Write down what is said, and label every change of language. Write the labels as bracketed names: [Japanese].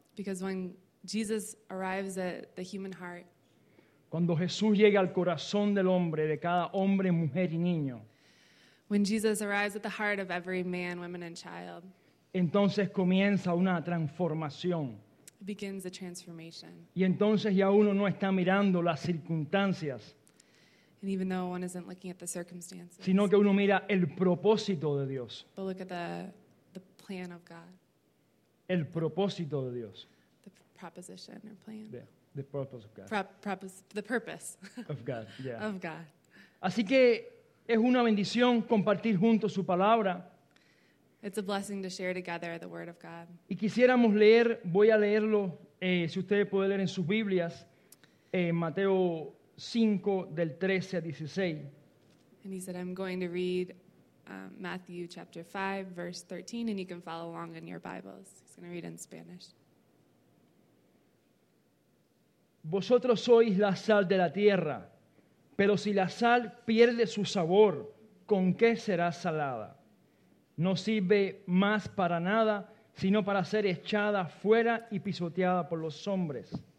[English] because when Jesus arrives at the human heart, [Spanish] cuando Jesús llega al corazón del hombre, de cada hombre, mujer y niño, [English] when Jesus arrives at the heart of every man, woman, and child, [Spanish] entonces comienza una transformación. [English] Begins a transformation. [Spanish] Y entonces ya uno no está mirando las circunstancias. [English] And even though one isn't looking at the circumstances. [Spanish] Sino que uno mira el propósito de Dios. [English] But look at the plan of God. [Spanish] El propósito de Dios. [English] The proposition or plan. Yeah, the purpose of God. The purpose. Of God, yeah. Of God. [Spanish] Así que es una bendición compartir juntos su palabra. [English] It's a blessing to share together the word of God. [Spanish] Y quisiéramos leer, voy a leerlo, si ustedes pueden leer en sus Biblias, Mateo 5, del 13 a 16. [English] And he said, I'm going to read Matthew chapter 5, verse 13, and you can follow along in your Bibles. He's going to read in Spanish. [Spanish] Vosotros sois la sal de la tierra, pero si la sal pierde su sabor, ¿con qué será salada? No sirve más para nada, sino para ser echada fuera y pisoteada por los hombres.